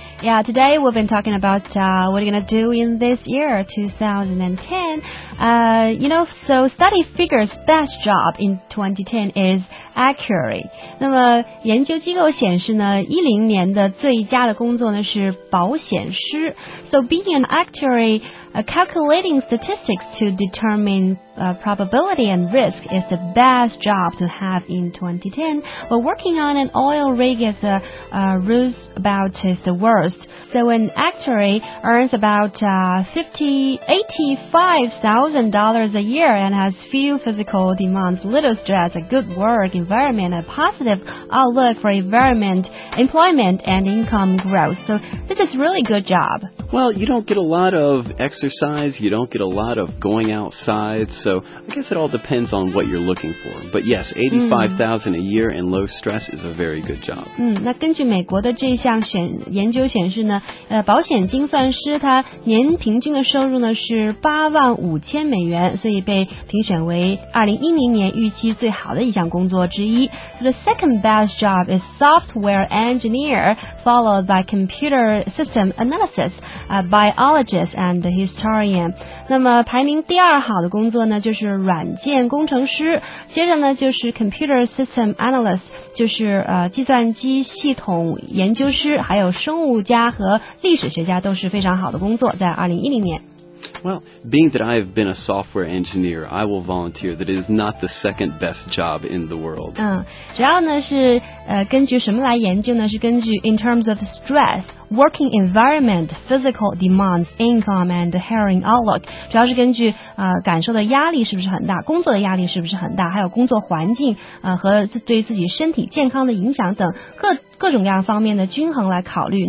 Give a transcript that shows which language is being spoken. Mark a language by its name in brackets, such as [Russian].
[English] Yeah, today we've been talking about what you're going to do in this year, 2010. You know, so study figures best job in 2010 is Acuary. [Chinese] 那么研究机构显示呢，10年的最佳的工作呢是保险师。 [English] So being an actuary, calculating statistics to determine probability and risk is the best job to have in 2010. But working on an oil rig is roosevelt is the worst. So an actuary earns about $85,000 a year and has few physical demands, little stress, a good work environment, a positive outlook for environment, employment, and income growth. So this is a really good job. Well, you don't get a lot of exercise. You don't get a lot of going outside. So I guess it all depends on what you're looking for. But yes, $85,000 a year and low stress is a very good job. [Chinese] 那根据美国的这项研究显示呢，保险精算师他年平均的收入呢是$85,000，所以被评选为2010年预期最好的一项工作之一。 [English] So the second best job is software engineer, followed by computer system analysis, biologist and historian. [Chinese] 那么排名第二好的工作呢，就是软件工程师，接着呢就是 [English] computer system analyst, [Chinese] 就是计算机系统研究师，还有生物家和历史学家都是非常好的工作，在2010年。 [English] Well, being that I have been a software engineer, I will volunteer that it is not the second best job in the world. [Chinese] 主要呢是根据什么来研究呢？是根据 [English] in terms of stress, working environment, physical demands, income, and hiring outlook. [Chinese] 主要是根据感受的压力是不是很大，工作的压力是不是很大，还有工作环境和对自己身体健康的影响等各种各样方面的均衡来考虑。